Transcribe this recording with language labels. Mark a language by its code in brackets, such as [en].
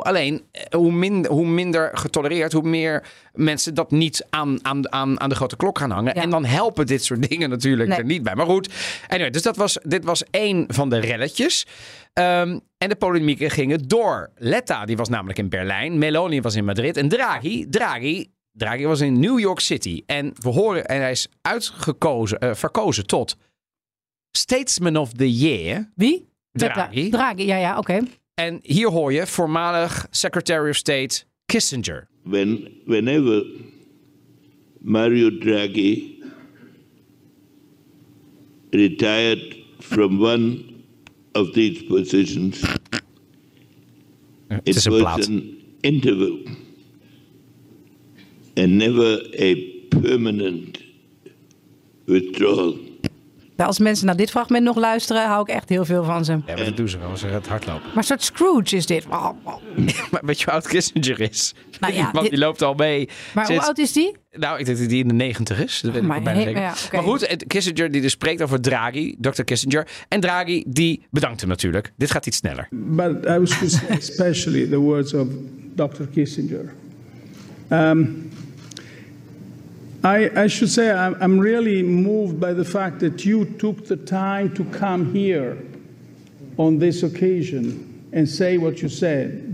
[nl] Alleen, hoe minder getolereerd, hoe meer mensen dat niet aan de grote klok gaan hangen. Ja. En dan helpen dit soort dingen natuurlijk er niet bij. Maar goed. Anyway, dus dit was één van de relletjes. En de polemieken gingen door. Letta, die was namelijk in Berlijn. Meloni was in Madrid. En Draghi was in New York City. En we horen, en hij is verkozen tot Statesman of the Year. Wie? Draghi. Draghi, ja, oké. Okay. En hier hoor je voormalig Secretary of State Kissinger. [en] Whenever Mario Draghi... retired from one of these positions. It was an interval and never a permanent withdrawal. [nl] Nou, als mensen naar dit fragment nog luisteren, hou ik echt heel veel van ze. Ja, dat doen ze wel. Ze gaat hardlopen. Maar een soort Scrooge is dit. Maar weet je hoe oud Kissinger is? Nou ja, want die loopt al mee. Maar hoe oud is die? Nou, ik denk dat die in de 90 is. Dat weet ik bijna zeker. Maar goed, Kissinger die dus spreekt over Draghi, Dr. Kissinger. En Draghi, die bedankt hem natuurlijk. Dit gaat iets sneller. [en] But I was just especially the words of Dr. Kissinger. I should say I'm really moved by the fact that you took the time to come here on this occasion and say what you said.